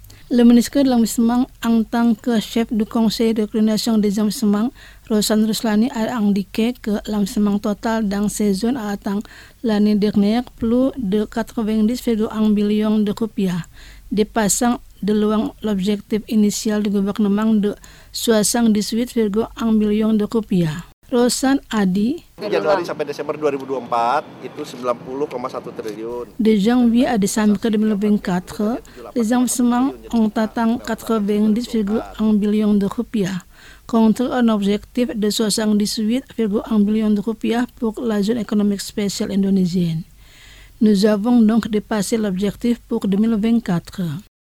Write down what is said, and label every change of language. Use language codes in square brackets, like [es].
[fr] Le ministre de l'Investissement, en tant que chef du Conseil de coordination des investissements, Rosan Ruslani, a indiqué que l'investissement total dans ces zones a atteint l'année dernière plus de 90,1 millions de rupiah, dépassant de loin l'objectif initial du gouvernement de 78,1 millions de rupiah. Rosan Adi. [id] Januari sampai Desember 2024 itu 90,1 triliun. [fr] De janvier à décembre 2024, les investissements ont atteint 90,1 millions de rupiah, contre un objectif de 78,1 millions de rupiah pour la zone économique spéciale indonésienne. Nous avons donc dépassé l'objectif pour 2024.